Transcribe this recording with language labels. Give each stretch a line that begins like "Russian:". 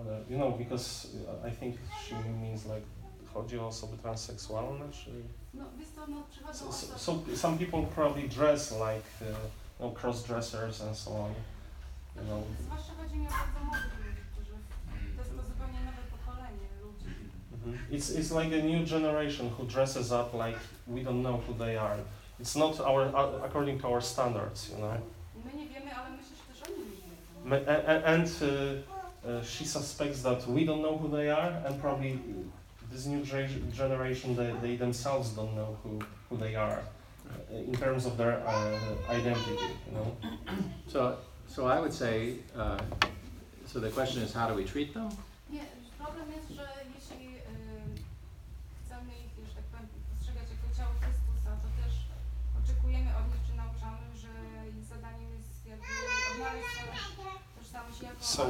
English: You know, because I think she means like,
Polish: chodzi o osoby transseksualne, czy?
English: So some people probably dress like cross-dressers and so on.
Polish: Zwłaszcza chodzi mi o bardzo młodych ludzi, którzy to jest zupełnie nowe pokolenie ludzi.
English: It's like a new generation who dresses up like we don't know who they are. It's not our according to our standards, you know.
Polish: My nie wiemy, ale myślę, że też oni nie wiedzą.
English: She suspects that we don't know who they are, and probably this new generation, they themselves don't know who they are in terms of their identity, you know. So I would say, so the question is, how do we treat them?
Polish: Yeah, problem jest, że jeśli chcemy ich, że tak powiem, postrzegać jako ciało Chrystusa, to też oczekujemy od nich, czy nauczamy, że ich zadaniem jest jakby odnaleźć tożsamość jako